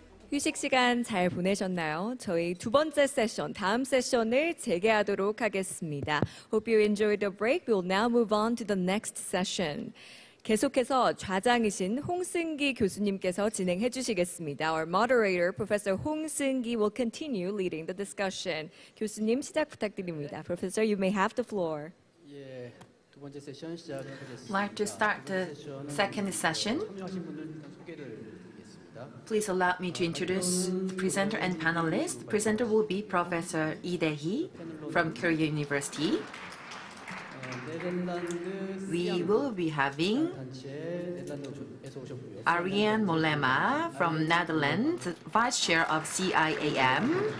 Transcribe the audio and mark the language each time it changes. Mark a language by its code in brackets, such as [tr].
[ko] 휴식 시간 잘 보내셨나요? 저희 두 번째 세션, 다음 세션을 재개하도록 하겠습니다. [en] Hope you enjoyed the break. We'll now move on to the next session. [ko] 계속해서 좌장이신 홍승기 교수님께서 진행해 주시겠습니다. [en] Our moderator, Professor 홍승기, will continue leading the discussion. [ko] 교수님 시작 부탁드립니다. [en] Professor, you may have the floor. [ko] 예, 두 번째 세션 시작하겠습니다. [en] Like to start the second session. Please allow me to introduce the presenter and panelist. The presenter will be Professor Lee Dae-hee from Korea University. We will be having Ariane Mollema from Netherlands, Vice Chair of CIAM.